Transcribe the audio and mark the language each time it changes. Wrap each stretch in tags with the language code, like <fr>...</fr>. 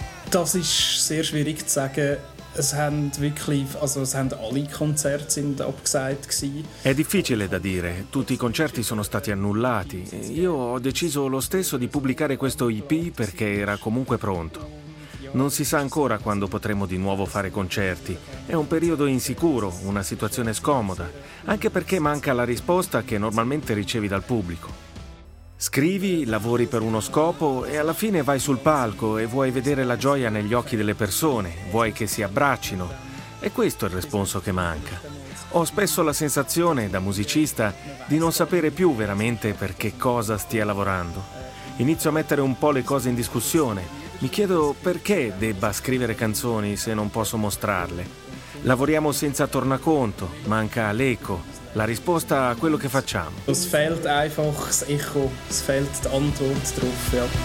<de>Das ist sehr schwierig zu sagen. Es haben wirklich, also es haben alle Konzerte sind abgesagt gsi.</de> <it>È difficile da dire. Tutti i concerti sono stati annullati. Io ho deciso lo stesso di pubblicare questo EP perché era comunque pronto. Non si sa ancora quando potremo di nuovo fare concerti. È un periodo insicuro, una situazione scomoda, anche perché manca la risposta che normalmente ricevi dal pubblico. Scrivi, lavori per uno scopo e alla fine vai sul palco e vuoi vedere la gioia negli occhi delle persone, vuoi che si abbraccino. E questo è il responso che manca. Ho spesso la sensazione, da musicista, di non sapere più veramente per che cosa stia lavorando. Inizio a mettere un po' le cose in discussione. Mi chiedo perché debba scrivere canzoni se non posso mostrarle. Lavoriamo senza tornaconto, manca l'eco, la risposta a quello che facciamo.</it> <de>Es fehlt einfach das Echo, es fehlt die Antwort drauf, ja.</de>